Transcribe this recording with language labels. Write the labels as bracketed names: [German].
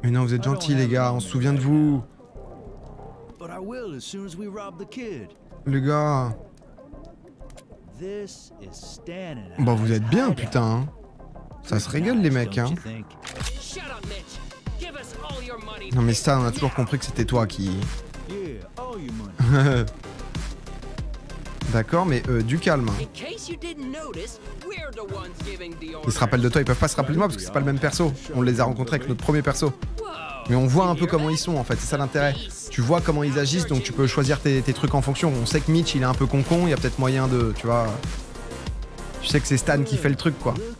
[French] Mais non, vous êtes gentils les gars, on se souvient de vous. [English] But I will as soon as we rob the kid. [French] Le gars. [English] This is standing. [French] Bah vous êtes bien putain. Ça se régale les mecs hein. [English] Shut up, Mitch. Give us all your money. [French] Non mais ça, on a toujours compris que c'était toi qui. [English] Yeah, all your money. [French] D'accord, mais du calme. [English] In case case you didn't notice, we're the ones giving the order. [French] Ils se rappellent de toi, ils peuvent pas se rappeler de moi parce que c'est pas le même perso. On les a rencontrés avec notre premier perso. Mais on voit un peu comment ils sont en fait, c'est ça l'intérêt. Tu vois comment ils agissent, donc tu peux choisir tes trucs en fonction. On sait que Mitch il est un peu con, il y a peut-être moyen de, tu vois. Tu sais que c'est Stan qui fait le truc quoi.